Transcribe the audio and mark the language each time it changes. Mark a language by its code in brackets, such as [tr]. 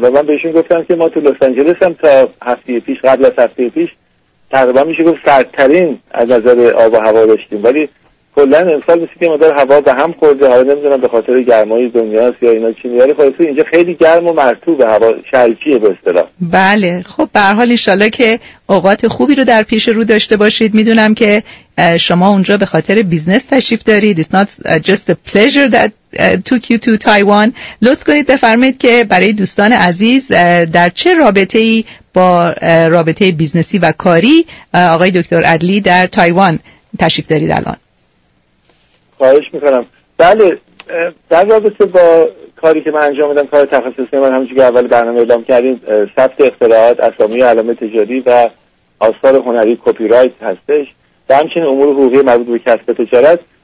[fa] و من بهشون گفتم که ما تو لس آنجلس هم تا هفته پیش، قبل از هفته پیش تقریبا میشه گفت سردترین از نظر آب و هوا داشتیم، ولی کلن امسال مثل که مدار هوا به هم خورده. حالا نمیدونم به خاطر گرمای دنیاست یا اینا چی، ولی خب اینجا خیلی گرم و مرطوب، هوا شلکیه به اصطلاح. بله خب به هر حال ان شاءالله که اوقات خوبی رو در پیش رو داشته باشید. میدونم که شما اونجا به خاطر بیزنس تشریف دارید. [en] It's not just a pleasure that took you to Taiwan. [fa] لطف کنید بفرمایید که برای دوستان عزیز در چه رابطه‌ای با رابطه بیزنسی و کاری آقای دکتر عدلی در تایوان تشریف دارید الان. خواهش میکنم. بله در رابطه با کاری که من انجام میدم، کار تخصصی من همونجوری که اول برنامه اعلام کردیم، ثبت اختراعات، اسامی و علائم تجاری و آثار هنری کپی رایت هستش و همچنین امور حقوقی مربوط به کسب و کار است.